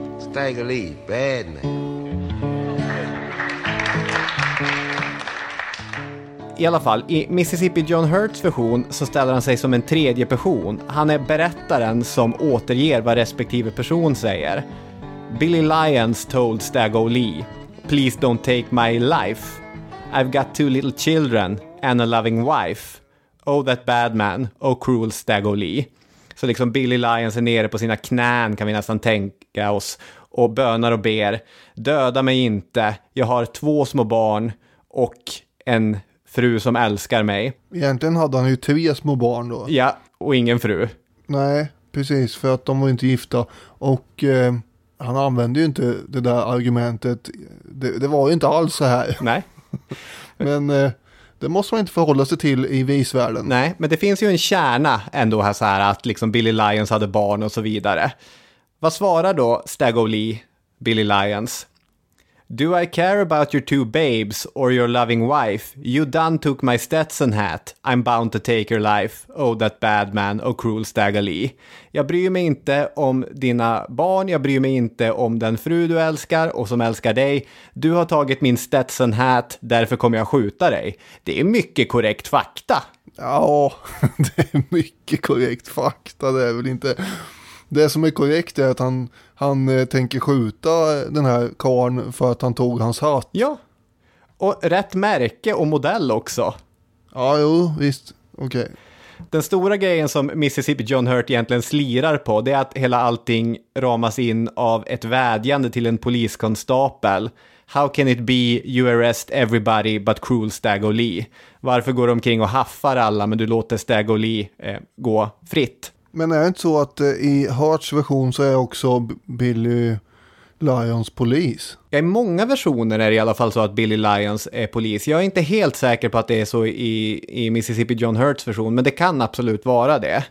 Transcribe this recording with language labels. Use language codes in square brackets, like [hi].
[en] Stack Lee, bad man. [sv] I alla fall, i Mississippi John Hurts version så ställer han sig som en tredje person. Han är berättaren som återger vad respektive person säger. [en] Billy Lyons told Stago Lee, "Please don't take my life. I've got two little children and a loving wife. Oh, that bad man. Oh, cruel Stago Lee." [sv] Så liksom Billy Lyons är nere på sina knän, kan vi nästan tänka oss, och bönar och ber: döda mig inte. Jag har två små barn och en fru som älskar mig. Egentligen hade han ju tre små barn då. Ja, och ingen fru. Nej, precis, för att de var inte gifta. Och han använde ju inte det där argumentet. Det var ju inte alls så här. Nej. Men det måste man inte förhålla sig till i visvärlden. Nej, men det finns ju en kärna ändå här, så här att liksom Billy Lyons hade barn och så vidare. Vad svarar då Stag O'Lee, Billy Lyons? [en] "Do I care about your two babes or your loving wife? You done took my Stetson hat. I'm bound to take your life. Oh, that bad man. Oh, cruel Stag O'Lee." [sv] Jag bryr mig inte om dina barn. Jag bryr mig inte om den fru du älskar och som älskar dig. Du har tagit min Stetson hat. Därför kommer jag skjuta dig. Det är mycket korrekt fakta. Ja, det är mycket korrekt fakta. Det är väl inte... Det som är korrekt är att han tänker skjuta den här karen för att han tog hans hat. Ja, och rätt märke och modell också. Ja, jo, visst. Okej. Okay. Den stora grejen som Mississippi John Hurt egentligen slirar på, det är att hela allting ramas in av ett vädjande till en poliskonstapel. [en] "How can it be you arrest everybody but cruel Stag O'Lee? [sv] Varför går du omkring och haffar alla men du låter Stag O'Lee gå fritt?" Men är det inte så att i Hurts version så är också Billy Lyons polis? Ja, i många versioner är det i alla fall så att Billy Lyons är polis. Jag är inte helt säker på att det är så i Mississippi John Hurts version, men det kan absolut vara det.